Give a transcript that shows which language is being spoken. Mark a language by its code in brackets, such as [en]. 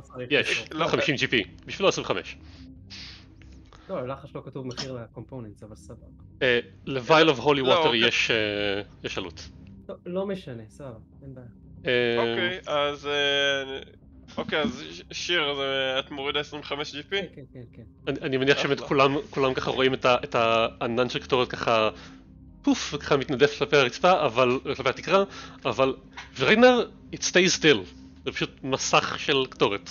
[he] יש, 50 GP בשבילו 25 לא, ללחש לא כתוב מחיר לקומפוננטס, אבל סבבה ל-vial of holy water יש עלות לא משנה, סבבה, אין בעיה אוקיי, אז... אוקיי, אז שיר, את מורידה 25 GP? כן, כן, כן. אני מניח שבאמת כולם ככה רואים את הענן של קטורת ככה פוף, וככה מתנדף כלפי הרצפה, אבל, כלפי התקרה, אבל ורינר, [en] it stays still. [he] זה פשוט מסך של קטורת.